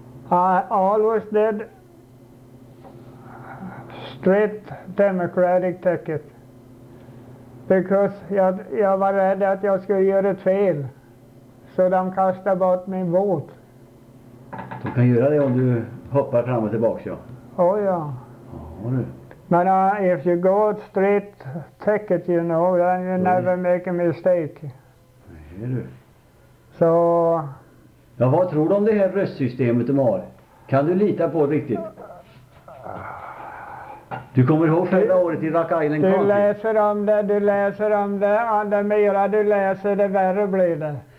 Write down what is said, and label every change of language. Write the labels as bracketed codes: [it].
[en] I always did straight democratic ticket because [sv] jag var rädd att jag skulle göra ett fel, så de kastade bort min vot. Du kan göra det om du hoppar fram och tillbaka, ja. Oh ja. [en] Men if you go straight ticket, you know, then you never make a mistake. [sv] Så ja, vad tror du om det här röstsystemet de har? Kan du lita på riktigt? Du kommer ihåg förra året i Rock Island County. Du läser om det, och det mera du läser, det värre blir det.